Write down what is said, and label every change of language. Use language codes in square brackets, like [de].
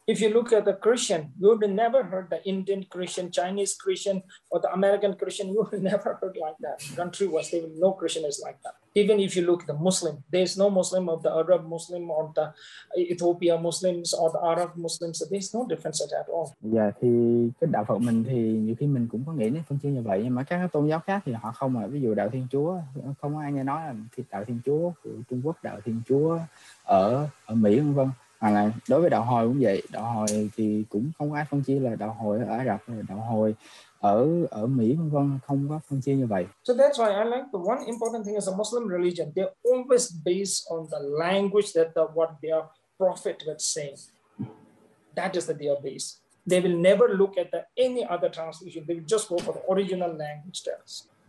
[en] If you look at the Christian, you would never heard the Indian Christian, Chinese Christian, or the American Christian. You would never heard like that. Country was there, no Christian is like that. Even if you look at the Muslim, there is no Muslim of the Arab Muslim or the Ethiopia Muslims or the Arab Muslims. There is no difference at all. [vi] Dạ, thì cái đạo Phật mình thì nhiều khi mình cũng có nghĩ đến phân chia như vậy, nhưng mà các tôn giáo khác thì họ không. Ví dụ đạo Thiên Chúa, không ai nghe nói là đạo Thiên Chúa của Trung Quốc, đạo Thiên Chúa ở Mỹ vân vân. Hoặc là đối với đạo Hồi cũng vậy, đạo Hồi thì cũng không ai phân chia là đạo Hồi ở Ả Rập, đạo Hồi ở Mỹ vân vân, không có phân chia như vậy. [en] So that's why I like the one important thing is a Muslim religion. They always based on the language that the what their prophet was saying. That is the their base. They will never look at the any other translation. They will just go for the original language terms.